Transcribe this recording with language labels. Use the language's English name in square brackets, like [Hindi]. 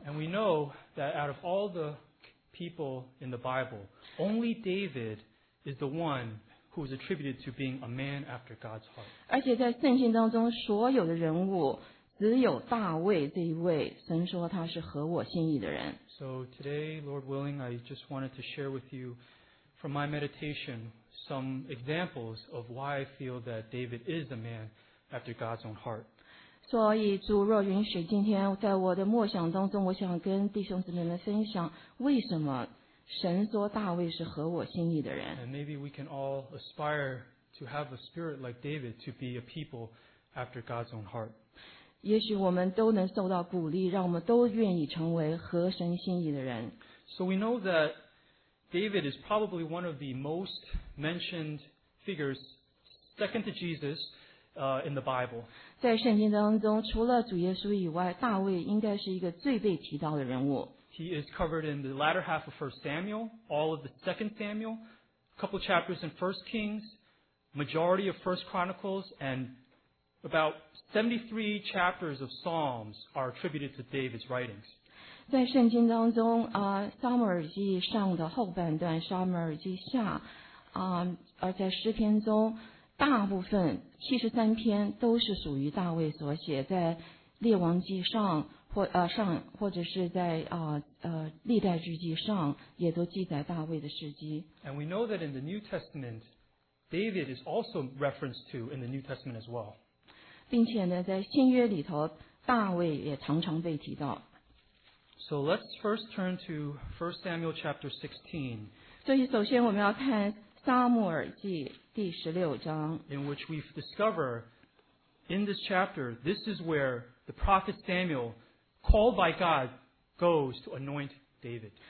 [English] And we know that out of all the people in the Bible, only David is the one who is attributed to being a man after God's heart. [Chinese] 而且在圣经当中所有的人物只有大卫这一位，神说他是合我心意的人。 [English] So today, Lord willing, I just wanted to share with you from my meditation some examples of why I feel that David is a man after God's own heart. [Chinese] 所以主若允许，今天在我的默想当中，我想跟弟兄姊妹们分享为什么神说大卫是合我心意的人。 [English] And maybe we can all aspire to have a spirit like David to be a people after God's own heart. [Chinese] 也许我们都能受到鼓励，让我们都愿意成为合神心意的人。 [English] So we know that David is probably one of the most mentioned figures, second to Jesus, in the Bible. [Chinese] 在圣经当中，除了主耶稣以外，大卫应该是一个最被提到的人物。 [English] He is covered in the latter half of 1 Samuel, all of the 2 Samuel, a couple chapters in 1 Kings, majority of 1 Chronicles, and about 73 chapters of Psalms are attributed to David's writings. [Chinese] 在圣经当中，撒母耳记上的后半段，撒母耳记下，而在诗篇中，大部分73篇都是属于大卫所写，在列王记上或者是在历代志记上也都记载大卫的事迹。 [English] And we know that in the New Testament, David is also referenced to in the New Testament as well. [Chinese] 并且呢，在新约里头，大卫也常常被提到。 [English] So let's first turn to 1 Samuel chapter 16. [Chinese] 所以首先我们要看撒母耳记第十六章。 [English] In which we discover in this chapter, this is where the prophet Samuel, called by God, goes to anoint David.